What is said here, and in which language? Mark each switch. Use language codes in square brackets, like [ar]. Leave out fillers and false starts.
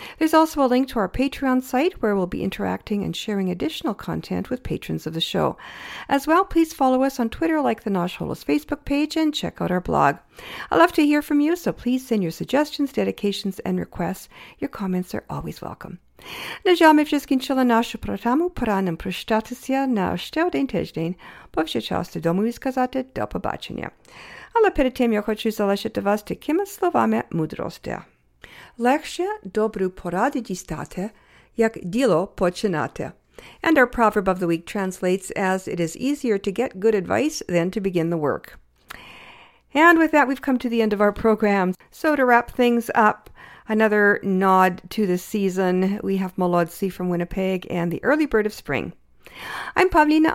[en] There's also a link to our Patreon site where we'll be interacting and sharing additional content with patrons of the show. As well, please follow us on Twitter, like the Nash Holos Facebook page, and check out our blog. I'd love to hear from you, so please send your suggestions, dedications, and requests. Your comments are always welcome. [uk] Нажами вже скінчила нашу програму. Пора нам прощатися на ще один тиждень, бо вже час додому і сказати до побачення. Але перед тим я хочу залишити вас такими словами мудрості. Легше добру пораду дістати, як діло починати. [en] And our proverb of the week translates as, it is easier to get good advice than to begin the work. And with that, we've come to the end of our program. So to wrap things up, another nod to the season, we have Molodsi from Winnipeg and the early bird of spring. I'm Pavlina.